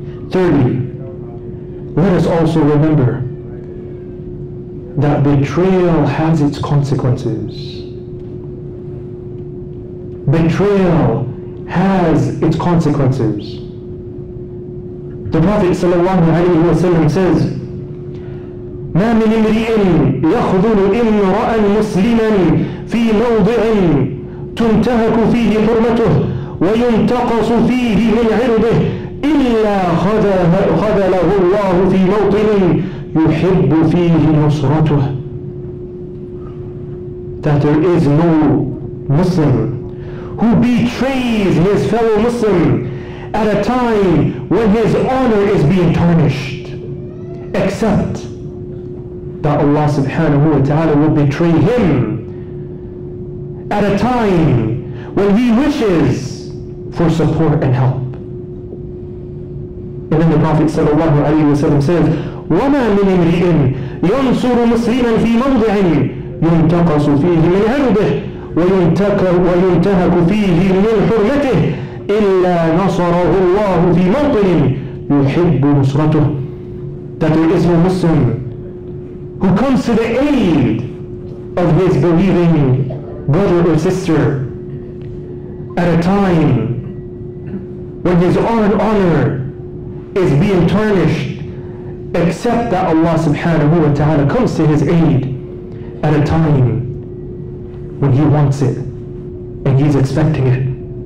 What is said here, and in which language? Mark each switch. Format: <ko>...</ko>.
<en>Thirdly, let us also remember that betrayal has its consequences. Betrayal has its consequences. The Prophet sallallahu alaihi wasallam says,</en> <ar>"مَا مِنْ امْرِئٍ يَخْذُلُ امْرَأً مُسْلِمًا فِي مَوْضِعٍ تُنْتَهَكُ فِيهِ حُرْمَتُهُ وَيُنْتَقَصُ فِيهِ مِنْ عِرْضِهِ إِلَّا خَذَلَهُ اللَّهُ فِي مَوْطِنٍ يُحِبُّ فِيهِ نُصْرَتُهُ."</ar> <en>That there is no Muslim who betrays his fellow Muslim at a time when his honor is being tarnished, except that Allah subhanahu wa ta'ala will betray him at a time when he wishes for support and help. And then the Prophet sallallahu alaihi wasallam says,</en> <ar>"وَمَا مِنْ امْرِئٍ يَنْصُرُ مُسْلِمًا فِي مَوْضِعٍ يُنْتَقَصُ فِيهِ مِنْ عِرْضِهِ وَيُنْتَهَكُ فِيهِ مِنْ حُرْمَتِهِ إِلَّا نَصَرَهُ اللَّهُ فِي مَوْطِنٍ يُحِبُّ نُصْرَتُهُ."</ar> <en>That there is no Muslim who comes to the aid of his believing brother or sister at a time when his honor is being tarnished, except that Allah subhanahu wa ta'ala comes to his aid at a time when he wants it and he's expecting it.</en>